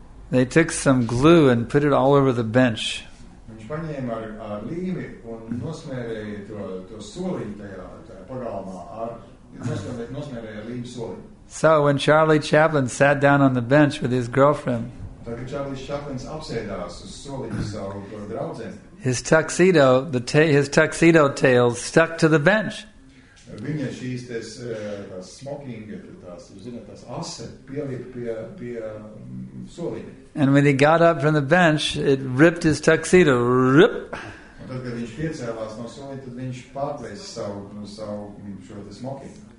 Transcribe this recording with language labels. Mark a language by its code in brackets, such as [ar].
[en] They took some glue and put it all over the bench. [lv] Viņš paņēma ar līmi un nosmērēja to soliņu tajā pagalmā ar nosmērēja līmi soliņu. [en] So when Charlie Chaplin sat down on the bench with his girlfriend, [lv] tagad Charlie Chaplins apsēdās uz soliņu savu draudzeni. [en] His tuxedo tail stuck to the bench. [lv] Viņa šīs tās smoking, tās, zināt, tās ase pielika pie soliņa. [en] And when he got up from the bench, it ripped his tuxedo. Rip! [lv] Un tad, kad viņš piecēlās no soliņa, tad viņš pārplēsa savu šo te smoking.